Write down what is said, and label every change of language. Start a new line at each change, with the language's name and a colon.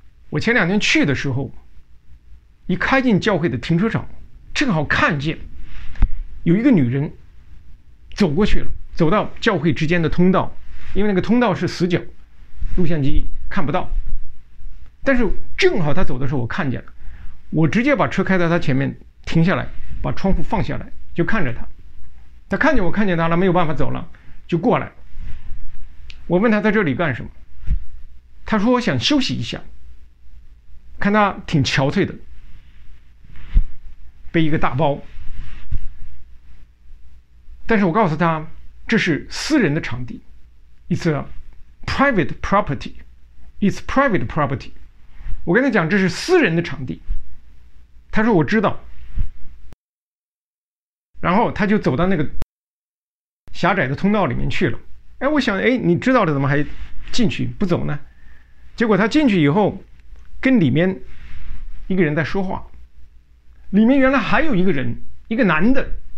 Chinese: 我前两天去的时候，一开进教会的停车场，正好看见有一个女人走过去了，走到教会之间的通道，因为那个通道是死角，录像机看不到，但是正好她走的时候我看见了，我直接把车开到她前面停下来，把窗户放下来就看着她。她看见我看见她了，没有办法走了，就过来。我问她在这里干什么，她说我想休息一下，看她挺憔悴的，背一个大包。但是我告诉他，这是私人的场地，
English: It's a private property，
Chinese: It's private property。我跟他讲这是私人的场地，他说我知道，然后他就走到那个狭窄的通道里面去了。哎，我想，哎，你知道了怎么还进去不走呢？结果他进去以后跟里面一个人在说话，里面原来还有一个人，一个男的。